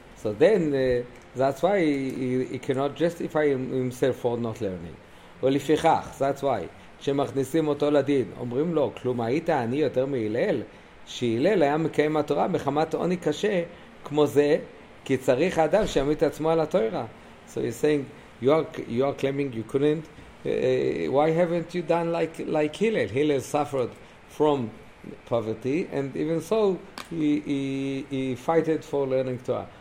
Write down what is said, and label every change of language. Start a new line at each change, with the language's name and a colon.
English: So then that's why he cannot justify himself for not learning. Well, if yichach, that's why
Hebrew: שמכניסים אותו לדין אומרים לו כלום היית אני יותר מהילל שהילל היה מקיים התורה מחמת עוני קשה כמו זה כי צריך האדם שימית עצמו על התורה.
English: So he's saying, you are claiming you couldn't. Why haven't you done like Hillel? Hillel suffered from poverty, and even so, he fighted for learning Torah.